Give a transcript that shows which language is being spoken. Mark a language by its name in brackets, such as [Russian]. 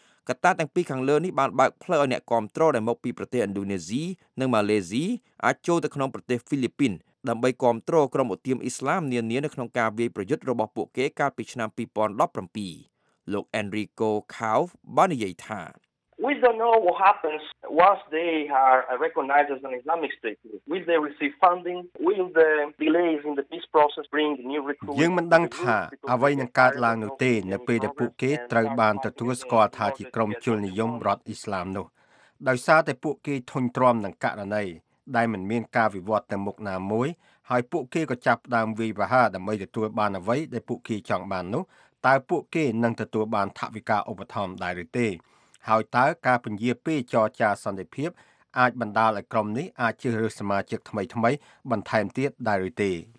[Khmer] កត្តាទាំងពីរខាងលើនេះបានបើកផ្លូវឲ្យអ្នកគាំទ្រដែលមកពីប្រទេសឥណ្ឌូនេស៊ីនិងម៉ាឡេស៊ីអាចចូលទៅក្នុងប្រទេសហ្វីលីពីនដើម្បីគាំទ្រក្រុមឧទាមអ៊ីស្លាមនានានៅក្នុងការវាយប្រយុទ្ធរបស់ពួកគេកាលពីឆ្នាំ2017លោក Enrico Cao បាននិយាយថា [English] We don't know what happens once they are recognized as an Islamic state. Will they receive funding? Will the delays in the peace process bring new recruits? [Khmer] យើងមិនដឹងថាអ្វីនឹងកើតឡើងនោះទេនៅពេលដែលពួកគេត្រូវបានទទួលស្គាល់ថាជាក្រុមជលនិយមរដ្ឋអ៊ីស្លាមនោះដោយសារតែពួកគេធន់ទ្រាំនឹងករណីដែលមិនមានការវិវត្តទៅមុខណាមួយហើយពួកគេក៏ចាប់ផ្ដើមវាយប្រហារដើម្បីទទួលបានអ្វីដែលពួកគេចង់បាននោះតើពួកគេនឹងទទួលបានថវិកាឧបត្ថម្ភដែរឬទេហើយតើការពញ្ញាពេចរចាសន្តិភាពអាចបណ្ដាលឲ្យក្រុមនេះអាចជ្រើសរើសសមាជិកថ្មីៗបន្ថែមទៀតដែរឬទេ